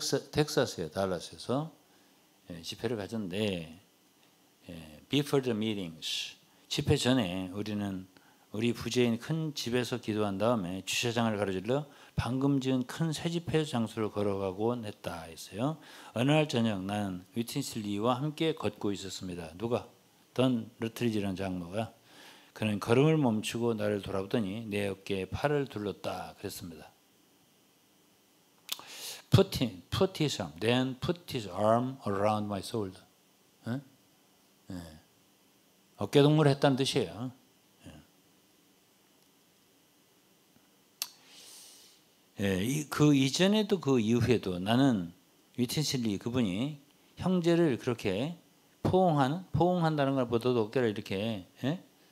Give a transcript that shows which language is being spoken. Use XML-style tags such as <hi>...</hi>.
<ko>텍사스에 달라스에서 집회를 가졌는데</ko> <en>Before the meetings,</en> <ko>집회 전에 우리는 우리 부재인 큰 집에서 기도한 다음에 주차장을 가로질러 방금 지은 큰 새 집회 장소로 걸어가곤 했다 했어요. 어느 날 저녁 나는 위틴슬리와 함께 걷고 있었습니다. 누가? 던 루트리지라는 장로가. 그는 걸음을 멈추고 나를 돌아보더니 내 어깨에 팔을 둘렀다 그랬습니다.</ko> <en>Put his arm, then put his arm around my shoulder.</en> <ko>네? 네. 어깨 동무를 했다는 뜻이에요. 예, 그 이전에도 그 이후에도 나는 위틴슬리 그분이 형제를 그렇게 포옹한다는 것보다도 어깨를 이렇게 예?</ko>